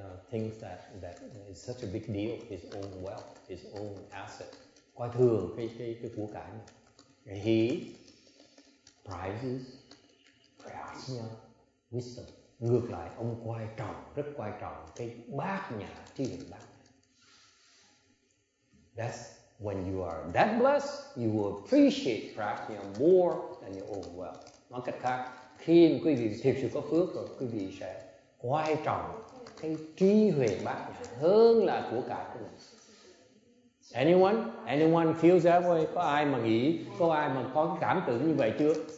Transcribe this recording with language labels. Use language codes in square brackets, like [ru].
[en] thinks that is such a big deal, his own wealth, his own asset. [vi] Coi thường cái của cải này. [en] He prizes prajna, wisdom. [vi] Ngược lại, ông quan trọng, rất quan trọng cái bát nhã, trí huệ bát. [en] That's when you are that blessed, you will appreciate prajna more than your own wealth. [vi] Nói cách khác, khi quý vị thực sự có phước rồi, quý vị sẽ quan trọng cái trí huệ bát nhã hơn là của cải của mình. [en] Anyone feels that way? [vi] Có ai mà nghĩ, có ai mà có cảm tưởng như vậy chưa?